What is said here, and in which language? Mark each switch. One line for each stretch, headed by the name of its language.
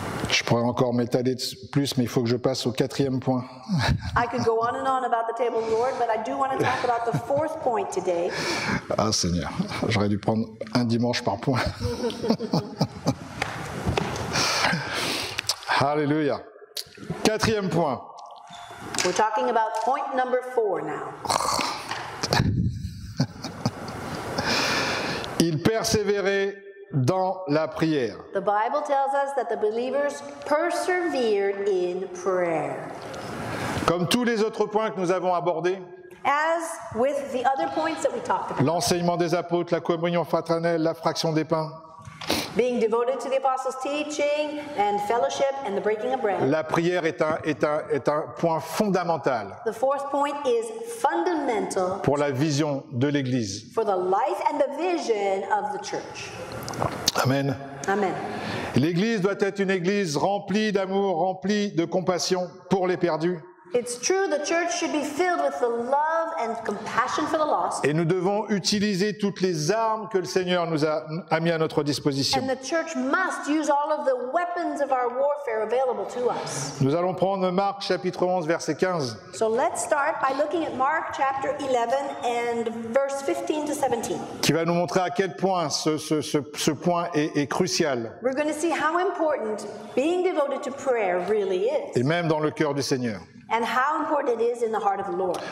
French: Je pourrais encore m'étaler plus, mais il faut que je passe au quatrième point.
English: I could go on and on about the table of the Lord, but I do want to talk about the fourth point today.
French: Ah Seigneur, j'aurais dû prendre un dimanche par point. Alléluia. Quatrième point.
English: We're talking about point number four now.
French: Il persévérait dans la prière.
English: The Bible tells us that the believers persevered in prayer.
French: Comme tous les autres points que nous avons abordés,
English: as with the other points that we talked about,
French: l'enseignement des apôtres, la communion fraternelle, la fraction des pains,
English: being devoted to the apostles' teaching and fellowship and the breaking of bread.
French: La prière est un point fondamental.
English: The fourth point is fundamental
French: pour la vision de l'Église.
English: For the life and the vision of the church.
French: Amen.
English: Amen.
French: L'Église doit être une Église remplie d'amour, remplie de compassion pour les perdus.
English: It's true, the church should be filled with the love and compassion for the lost.
French: Et nous devons utiliser toutes les armes que le Seigneur nous a mis à notre disposition.
English: And the church must use all of the weapons of our warfare available to us.
French: Nous allons prendre Marc chapitre 11 verset 15.
English: So let's start by looking at Mark chapter 11 and verse 15 to 17.
French: Qui va nous montrer à quel point ce point est crucial.
English: We're going to see how important being devoted to prayer really is.
French: Et même dans le cœur du Seigneur.
English: And how important it is in the heart of the Lord.